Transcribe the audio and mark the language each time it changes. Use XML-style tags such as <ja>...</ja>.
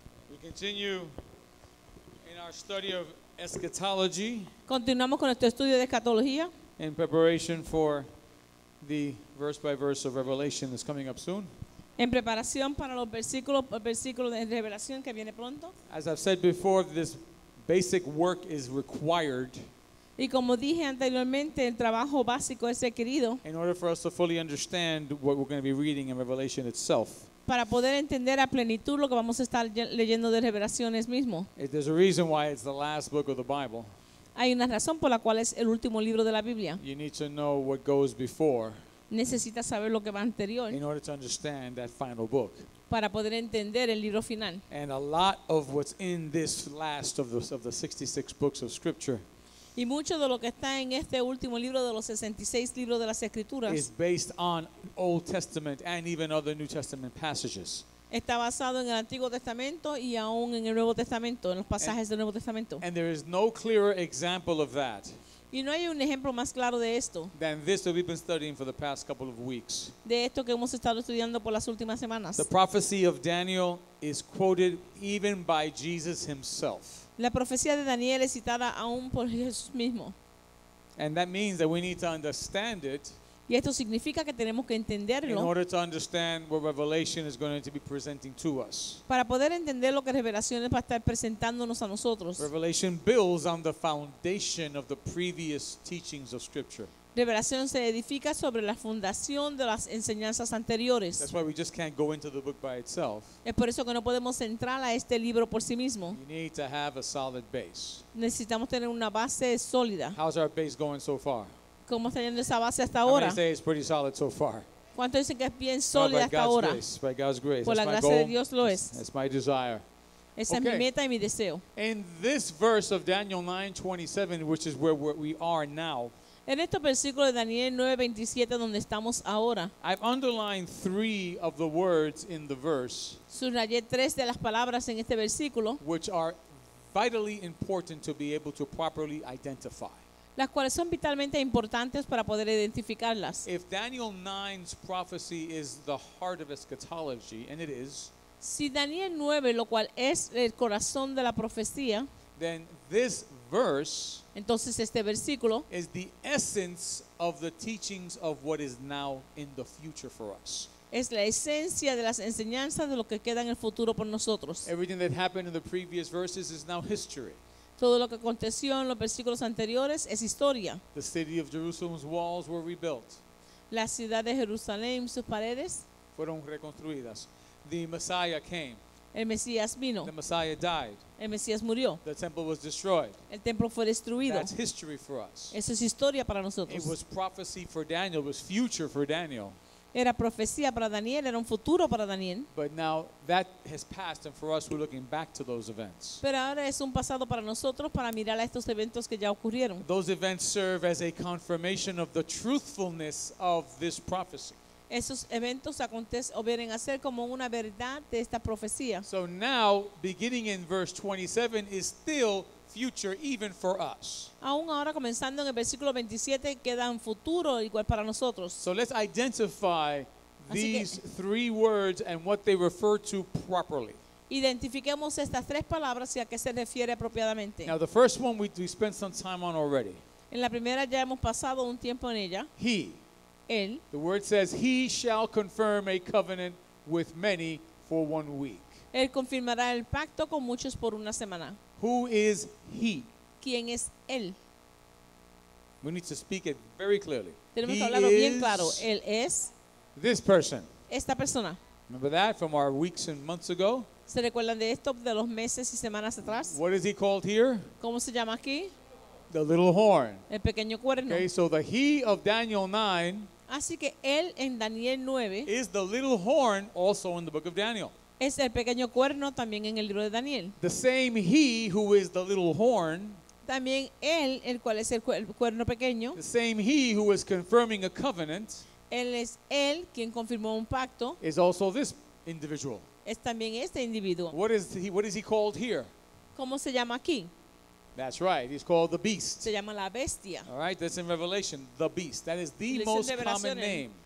<en>We continue in our study of eschatology.</en> <es>Continuamos con nuestro estudio de escatología.</es> <en>In preparation for the verse by verse of Revelation that's coming up soon.</en> <es>En preparación para los versículos por versículo de Revelación que viene pronto.</es> <en>As I've said before, this basic work is required.</en> <es>Y como dije anteriormente, el trabajo básico es requerido.</es> <en>In order for us to fully understand what we're going to be reading in Revelation itself.</en> <es>Para poder entender a plenitud lo que vamos a estar leyendo de Revelaciones mismo.</es> <en>There's a reason why it's the last book of the Bible.</en> <es>Hay una razón por la cual es el último libro de la Biblia.</es> <en>You need to know what goes before.</en> <es>Necesita saber lo que va anterior.</es> <en>In order to understand that final book.</en> <es>Para poder entender el libro final.</es> <en>And a lot of what's in this last of the 66 books of Scripture.</en> <es>Y mucho de lo que está en este último libro de los 66 libros de las Escrituras.</es> <en>Is based on Old Testament and even other New Testament passages.</en> <es>Está basado en el Antiguo Testamento y aún en el Nuevo Testamento, en los pasajes del Nuevo Testamento.</es> <en>And there is no clearer example of that.</en> <es>Y no hay un ejemplo más claro de esto.</es> <en>Than this that we've been studying for the past couple of weeks.</en> <es>De esto que hemos estado estudiando por las últimas semanas.</es> <en>The prophecy of Daniel is quoted even by Jesus himself.</en> <es>La profecía de Daniel es citada aún por Jesús mismo.</es> <en>And that means that we need to understand it.</en> <es>Y esto significa que tenemos que entenderlo.</es> <en>In order to understand what Revelation is going to be presenting to us.</en> <es>Para poder entender lo que Revelación va a estar presentándonos a nosotros.</es> <en>Revelation builds on the foundation of the previous teachings of Scripture.</en> <es>Revelación se edifica sobre la fundación de las enseñanzas anteriores.</es> <en>That's why we just can't go into the book by itself.</en> <es>Es por eso que no podemos entrar a este libro por sí mismo.</es> <en>You need to have a solid base.</en> <es>Necesitamos tener una base sólida.</es> <en>How's our base going so far?</en> <es>¿Cómo está yendo esa base hasta ahora?</es> <en>Say it's pretty solid so far.</en> <es>¿Cuánto dicen que es bien sólida hasta ahora?</es> <en>By God's grace.</en> <es>Por la gracia de Dios lo es.</es> <en>That's my desire.</en> <es>Esa es mi meta y mi deseo.</es> <en>In this verse of Daniel 9:27, which is where we are now.</en> <es>En este versículo de Daniel 9:27 donde estamos ahora.</es> <en>I've underlined three of the words in the verse.</en> <es>Subrayé tres de las palabras en este versículo.</es> <en>Which are vitally important to be able to properly identify.</en> <es>Las cuales son vitalmente importantes para poder identificarlas.</es> <en>If Daniel 9's prophecy is the heart of eschatology, and it is,</en> <es>si Daniel 9, lo cual es el corazón de la profecía,</es> <en>then this verse,</en> <es>entonces este versículo,</es> <en>is the essence of the teachings of what is now in the future for us.</en> <es>Es la esencia de las enseñanzas de lo que queda en el futuro por nosotros.</es> <en>Everything that happened in the previous verses is now history.</en> <es>Todo lo que aconteció en los versículos anteriores es historia.</es> <en>The city of Jerusalem's walls were rebuilt.</en> <es>La ciudad de Jerusalén, sus paredes fueron reconstruidas.</es> <en>The Messiah came.</en> <es>El Mesías vino.</es> <en>The Messiah died.</en> <es>El Mesías murió.</es> <en>The temple was destroyed.</en> <es>El templo fue destruido.</es> <en>That's history for us.</en> <es>Eso es historia para nosotros.</es> <en>It was prophecy for Daniel. It was future for Daniel.</en> <es>Era profecía para Daniel, era un futuro para Daniel.</es> <en>But now that has passed, and for us, we're looking back to those events.</en> <es>Pero ahora es un pasado para nosotros para mirar a estos eventos que ya ocurrieron.</es> <en>Those events serve as a confirmation of the truthfulness of this prophecy.</en> <es>Esos eventos acontecen o vienen a ser como una verdad de esta profecía.</es> <en>So now, beginning in verse 27, is still future even for us.</en> <es>Aún ahora comenzando en el versículo 27 queda un futuro igual para nosotros.</es> <en>So let's identify these three words and what they refer to properly.</en> <es>Identifiquemos estas tres palabras y a qué se refiere apropiadamente.</es> <en>Now the first one we spent some time on already.</en> <es>En la primera ya hemos pasado un tiempo en ella.</es> <en>He.</en> <es>Él.</es> <en>The word says he shall confirm a covenant with many for 1 week.</en> <es>Él confirmará el pacto con muchos por una semana.</es> <en>Who is he?</en> <es>¿Quién es él?</es> <en>We need to speak it very clearly.</en> <es>Tenemos que hablarlo bien claro. Él es</es> <en>this person.</en> <es>Esta persona.</es> <en>Remember that from our weeks and months ago?</en> <es>¿Se recuerdan de esto de los meses y semanas atrás?</es> <en>What is he called here?</en> <es>¿Cómo se llama aquí?</es> <en>The little horn.</en> <es>El pequeño cuerno.</es> <en>Okay, so the he of Daniel 9.</en> <es>Así que él en Daniel 9</es> <en>is the little horn also in the book of Daniel.</en> <es>Es el pequeño cuerno también en el libro de Daniel.</es> <en>The same he who is the little horn.</en> <es>También él, el cual es el cuerno pequeño.</es> <en>The same he who is confirming a covenant.</en> <es>Él es él quien confirmó un pacto.</es> <en>Is also this individual.</en> <es>Es también este individuo.</es> <en>What is he called here?</en> <es>¿Cómo se llama aquí?</es> <en>That's right. He's called the beast.</en> <es>Se llama la bestia.</es> <en>All right, that's in Revelation, the beast. That is the most common name.</en>